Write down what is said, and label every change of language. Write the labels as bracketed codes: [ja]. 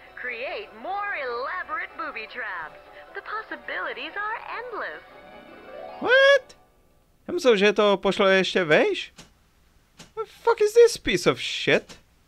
[en] Create more elaborate booby traps. The possibilities are endless. What? [cs] Já myslím, že to pošlo ještě vejš? [en] What the fuck is this piece of shit?